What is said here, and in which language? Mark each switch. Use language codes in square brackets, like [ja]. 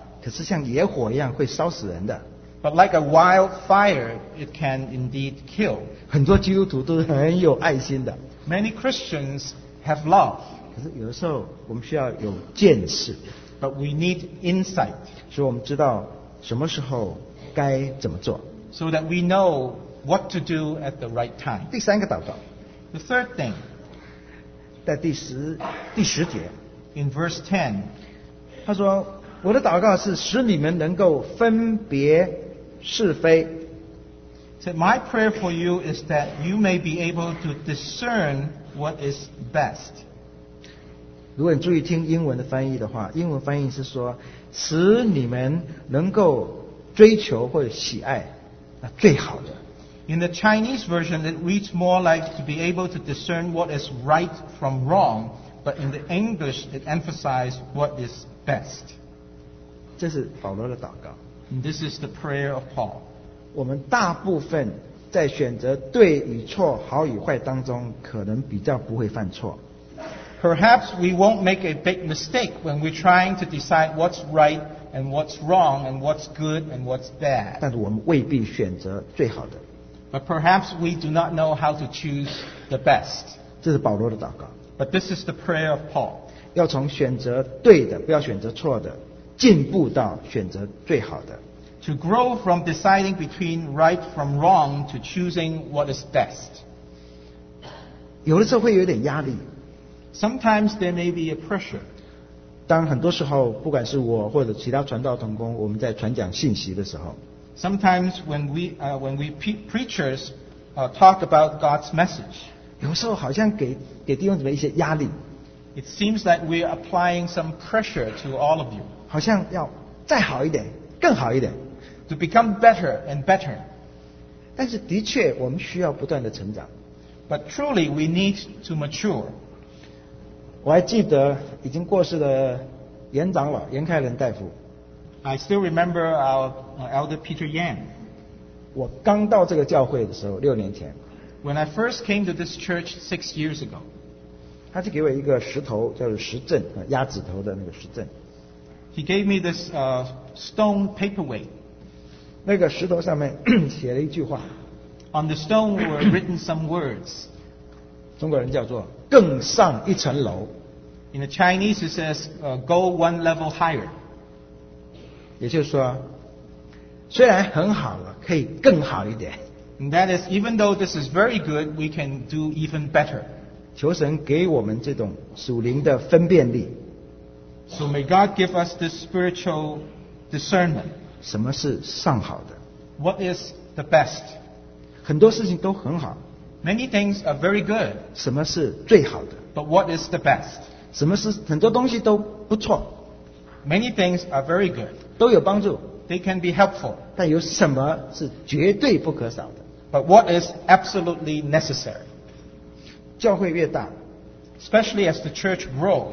[zh] 可是像野火一样会烧死人的, [en] but like a wild fire, it can indeed kill. [zh] 很多基督徒都是很有爱心的, [en] many Christians have love. [zh] 可是有的时候我们需要有见识, [en] but we need insight. [zh] 所以我们知道什么时候该怎么做, [en] so that we know what to do at the right time. [zh] 第三个祷告, [en] the third thing, [zh] 在第十节, [en] in verse 10, [zh] 他说, 我的祷告是使你们能够分别是非。 [en] So my prayer for you is that you may be able to discern what is best. [zh] 如果你注意听英文的翻译的话, 英文翻译是说, 使你们能够追求或喜爱最好的。 [en] In the Chinese version, it reads more like to be able to discern what is right from wrong, but in the English, it emphasizes what is best. [zh] 这是保罗的祷告。 [en] This is the prayer of Paul. [zh] 我们大部分在选择对与错、好与坏当中，可能比较不会犯错。 [en] Perhaps we won't make a big mistake when we're trying to decide what's right and what's wrong and what's good and what's bad. [zh] 但是我们未必选择最好的。 [en] But perhaps we do not know how to choose the best. [zh] 这是保罗的祷告。 [en] But this is the prayer of Paul. [zh] 要从选择对的，不要选择错的，进步到选择最好的。 [en] To grow from deciding between right from wrong to choosing what is best. [zh] 有的时候会有点压力。 [en] Sometimes there may be a pressure. [zh] 当很多时候，不管是我或者其他传道同工，我们在传讲信息的时候。 [en] Sometimes when we preachers talk about God's message. [zh] 有时候好像给弟兄姊妹一些压力。 [en] It seems like we are applying some pressure to all of you. [zh] 好像要再好一点，更好一点。 [en] To become better and better. [zh] 但是的确，我们需要不断的成长。 [en] But truly, we need to mature. [zh] 我还记得已经过世的严长老严开仁大夫。 [en] I still remember our elder Peter Yan. [zh] 我刚到这个教会的时候，六年前。 [en] When I first came to this church 6 years ago. [zh] 他就给我一个石头，叫做石阵，鸭子头的那个石阵。 [en] He gave me this stone paperweight. [zh] 那个石头上面写了一句话。 [en] On the stone were written some words. [zh] 中国人叫做更上一层楼。 [en] In the Chinese, it says, "Go one level higher." [zh] 也就是说，虽然很好了，可以更好一点。 [en] And that is, even though this is very good, we can do even better. [zh] 求神给我们这种属灵的分辨力。 [en] So may God give us this spiritual discernment. [zh] 什么是上好的 [en] ？What is the best? [zh] 很多事情都很好。 [en] Many things are very good. [zh] 什么是最好的？ [en] But what is the best? [zh] 什么是很多东西都不错？ [en] Many things are very good. [zh] 都有帮助。 [en] They can be helpful. [zh] 但有什么是绝对不可少的？ [en] But what is absolutely necessary? [zh] 教会越大， [en] especially as the church grows,